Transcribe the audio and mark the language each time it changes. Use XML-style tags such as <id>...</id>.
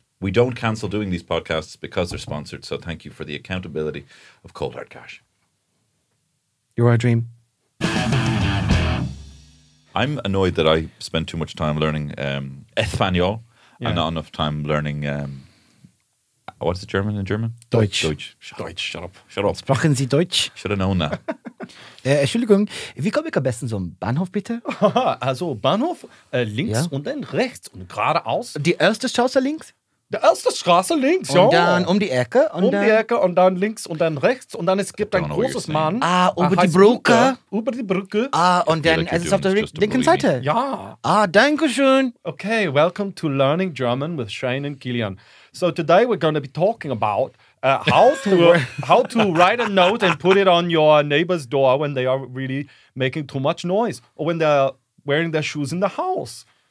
<en>We don't cancel doing these podcasts because they're sponsored. So thank you for the accountability of Cold Hard Cash. You're our dream. I'm annoyed that I spent too much time learning Espanol and not enough time learning, what is it, German in German?</en> <de>Deutsch. Deutsch.</de> <en>Shut up.</en> <de>Sprachen Sie Deutsch?</de> <en>Should have known that.</en> <de>Entschuldigung, wie komme ich am besten zum Bahnhof, bitte? Also Bahnhof, links und dann rechts und geradeaus. Die erste Straße links? Die erste Straße links, und dann um die Ecke. Um die Ecke und dann links und dann rechts. Und dann es gibt ein großes Mann. Ah, über die Brücke. Über die Brücke. Ah, und dann es ist auf der linken Seite. Ja. Ah, danke schön.</de> <en>Okay, welcome to Learning German with Shane and Killian. So today we're going to be talking about how to write a note and put it on your neighbor's door when they are really making too much noise or when they're wearing their shoes in the house.</en>